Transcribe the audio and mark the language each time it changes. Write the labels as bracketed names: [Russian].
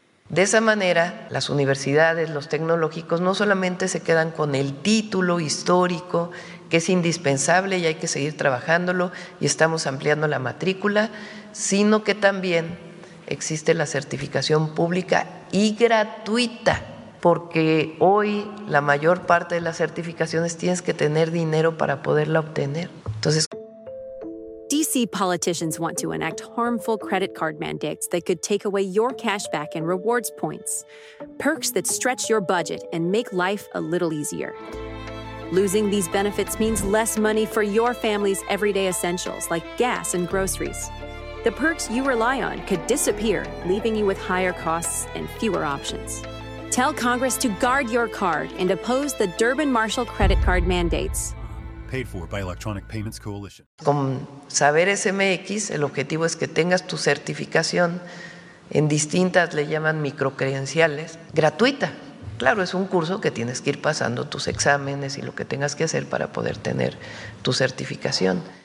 [Spanish] De esa manera, las universidades, los tecnológicos, no solamente se quedan con el título histórico, que es indispensable y hay que seguir trabajándolo y estamos ampliando la matrícula, sino que también existe la certificación pública y gratuita, porque hoy la mayor parte de las certificaciones tienes que tener dinero para poderla obtener. Entonces, [English] DC politicians want to enact harmful credit card mandates that could take away your cash back and rewards points, perks that stretch your budget and make life a little easier. Losing these benefits means less money for your family's everyday essentials like gas and groceries. The perks you rely on could disappear, leaving you with higher costs and fewer options. Tell Congress to guard your card and oppose the Durbin-Marshall credit card mandates. Paid for by Electronic Payments Coalition. [Spanish] Con Saberes MX, el objetivo es que tengas tu certificación en distintas, le llaman microcredenciales, gratuita. Claro, es un curso que tienes que ir pasando tus exámenes y lo que tengas que hacer para poder tener tu certificación.